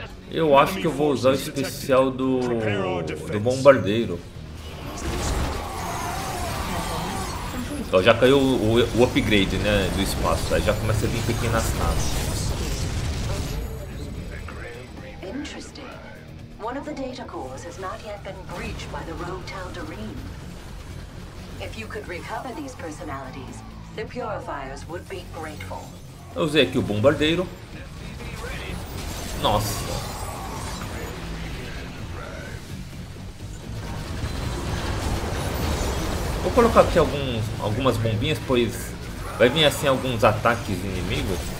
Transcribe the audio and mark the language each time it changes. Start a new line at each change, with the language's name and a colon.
Portuguese: Eu acho que eu vou usar o especial do bombardeiro. Então já caiu o upgrade, né, do espaço. Aí já começa a vir pequenas naves.
English: One of the data cores has not yet been breached by the rogue Tal'Darin. If you could recover these personalities, the purifiers would be grateful.
Portuguese: Eu usei aqui o bombardeiro. Nossa. Vou colocar aqui algumas bombinhas, pois vai vir assim alguns ataques inimigos.